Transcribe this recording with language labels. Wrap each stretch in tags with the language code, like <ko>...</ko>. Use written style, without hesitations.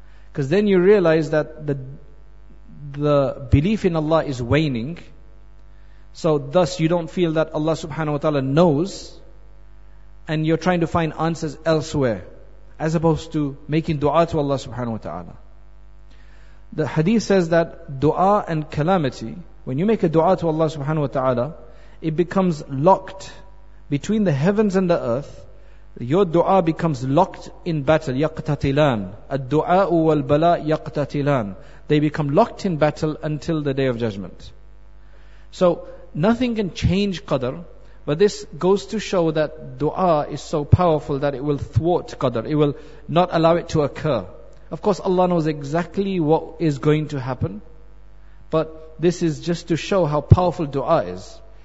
<en>Because then you realize that the belief in Allah is waning, so thus you don't feel that Allah subhanahu wa ta'ala knows, and you're trying to find answers elsewhere, as opposed to making dua to Allah subhanahu wa ta'ala. The hadith says that dua and calamity, when you make a dua to Allah subhanahu wa ta'ala, it becomes locked between the heavens and the earth, Your dua becomes locked in battle.</en> <ar>يقتتلان. الدعاء والبلاء يقتتلان.</ar> <en>They become locked in battle until the day of judgment. So nothing can change qadr, but this goes to show that dua is so powerful that it will thwart qadr. It will not allow it to occur. Of course, Allah knows exactly what is going to happen, but this is just to show how powerful dua is.</en>